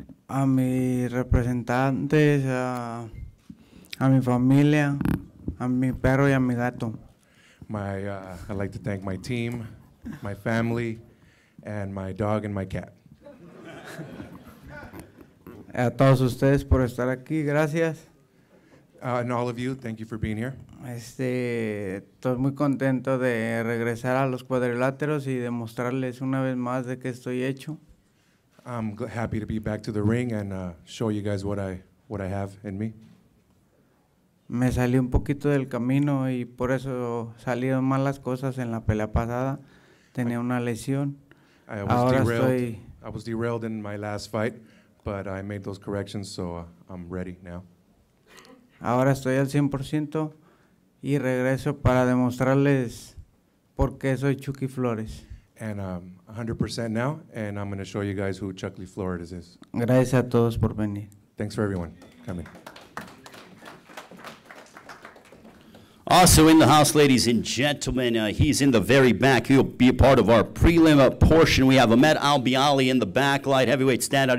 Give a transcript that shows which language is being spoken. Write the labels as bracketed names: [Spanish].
[Spanish] A mi representantes, a mi familia, a mi perro y a mi gato. [English] I'd like to thank my team, my family, and my dog and my cat. [Spanish] A todos ustedes por estar aquí. Gracias. [English] And all of you, thank you for being here. [Spanish] Estoy muy contento de regresar a los cuadriláteros y demostrarles una vez más de qué estoy hecho. [English] I'm happy to be back to the ring and show you guys what I have in me. [Spanish] Me salí un poquito del camino y por eso salieron mal las cosas en la pelea pasada. Tenía una lesión. [English] I was derailed in my last fight, but I made those corrections, so I'm ready now. [Spanish] Ahora estoy al 100% y regreso para demostrarles por qué soy Chucky Flores. [English] And 100% now, and I'm going to show you guys who Chucky Flores is. [Spanish] Gracias a todos por venir. [English] Thanks for everyone coming. Also in the house, ladies and gentlemen, he's in the very back. He'll be a part of our prelim portion. We have Ahmed Albiali in the back, light heavyweight standout.